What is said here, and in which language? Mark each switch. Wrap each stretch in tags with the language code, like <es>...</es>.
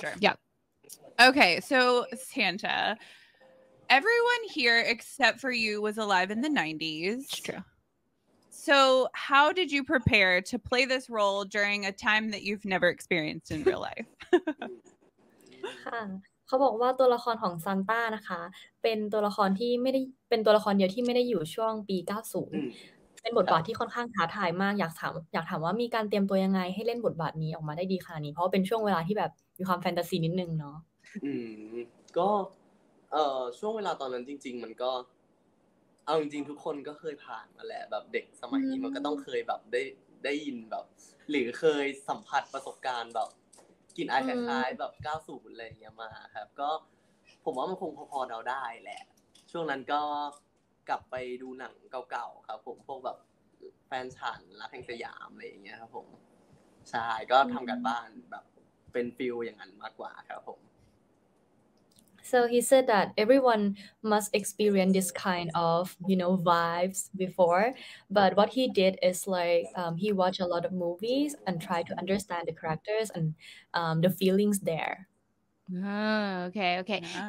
<en>Yep. Okay. So Santa. Everyone here except for you was alive in the 90s. It's true. So how did you prepare to play this role during a time that you've never experienced in real life?</en> <th>เขาบอกว่าตัวละครของซานต้านะคะเป็นตัวละครที่ไม่ได้เป็นตัวละครเดียวที่ไม่ได้อยู่ช่วงปี90เป็นบทบาทที่ค่อนข้างท้าทายมากอยากถามว่ามีการเตรียมตัวยังไงให้เล่นบทบาทนี้ออกมาได้ดีขนาดนี้เพราะเป็นช่วงเวลาที่แบบมีความแฟนตาซีนิดนึงเนาะ ก็ช่วงเวลาตอนนั้นจริงๆมันก็เอาจริงๆทุกคนก็เคยผ่านมาแหละแบบเด็กสมัยนี้มันก็ต้องเคยแบบได้ยินแบบหรือเคยสัมผัสประสบการณ์แบบกินไอคล้ายๆแบบ90อะไรอย่างเงี้ยมาครับก็ผมว่ามันคงพอเดาได้แหละช่วงนั้นก็ กลับไปดูหนังเก่าๆครับผมพวกแบบแฟนฉันรักแห่งสยามอะไรอย่างเงี้ยครับผมใช่ก็ทำกันบ้านแบบเป็นฟิลอย่างนั้นมากกว่าครับผม</th> <en>So he said that everyone must experience this kind of, you know, vibes before. But what he did is like he watched a lot of movies and tried to understand the characters and the feelings there. Oh, okay, okay. Yeah.</en>